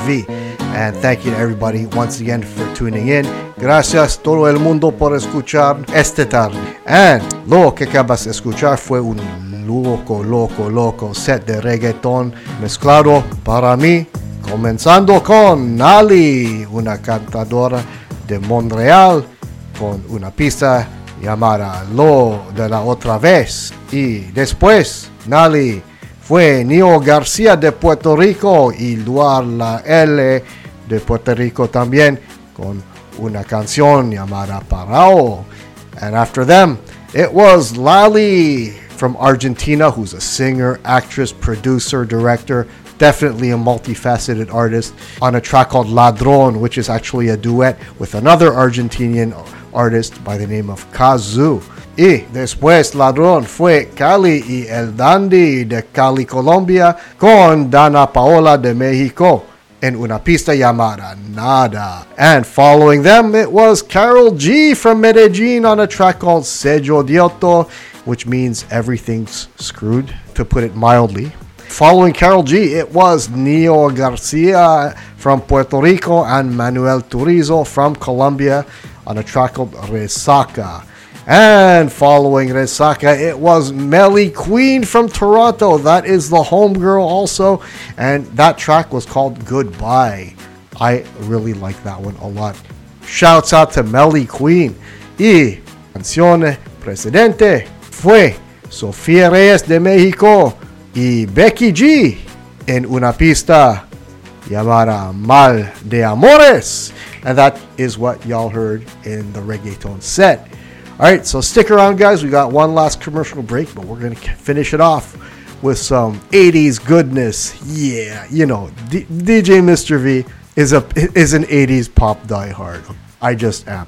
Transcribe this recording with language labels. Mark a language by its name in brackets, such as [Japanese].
[English] V, and thank you to everybody once again for tuning in. [Spanish] Gracias todo el mundo por escuchar este tarde. And lo que acabas de escuchar fue un loco, loco, loco set de reggaeton mezclado para mí, comenzando con Nali, una cantadora de Montreal, con una pista llamada Lo de la Otra Vez. Y después, Nali, fue Neo García de Puerto Rico y Luar La L de Puerto Rico también con una canción llamada Parao. [English] And after them, it was Lali from Argentina, who's a singer, actress, producer, director, definitely a multifaceted artist, on a track called Ladrón, which is actually a duet with another Argentinian artist by the name of Kazu. [Spanish] Y después Ladrón fue Cali y El Dandy de Cali, Colombia, con Dana Paola de México en una pista llamada Nada. [English] And following them, it was Carol G from Medellin on a track called Sello Dioto, which means everything's screwed, to put it mildly. Following Carol G, it was Neo Garcia from Puerto Rico and Manuel Turizo from Colombia on a track called Resaca. And following Resaca, it was Melly Queen from Toronto. That is the homegirl also. And that track was called Goodbye. I really like that one a lot. Shouts out to Melly Queen. [Spanish] Y canzone precedente fue Sofía Reyes de México y Becky G en una pista llamada Mal de Amores. [English] And that is what y'all heard in the reggaeton set. All right, so stick around, guys. We got one last commercial break, but we're going to finish it off with some 80s goodness. Yeah, you know, DJ Mr. V is an 80s pop diehard. I just am.